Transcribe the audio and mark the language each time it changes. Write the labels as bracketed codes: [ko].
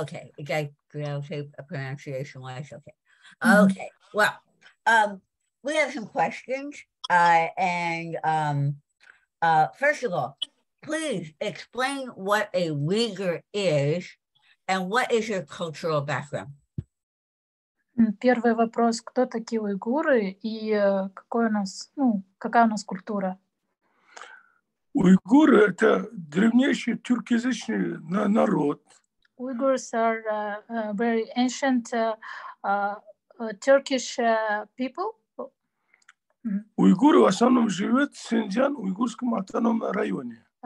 [en] Okay, pronunciation wise, okay. Mm-hmm. Okay, well, we have some questions. First of all, please explain what a Uyghur is and what is your cultural background? [ru] Первый вопрос, кто такие уйгуры и какой у нас, ну, какая у нас культура? Уйгуры – это древнейший тюркоязычный народ. [en] Uyghurs are very ancient Turkish people. [ru] Uyghurs в основном живут в Синьцзян-Уйгурском автономном районе.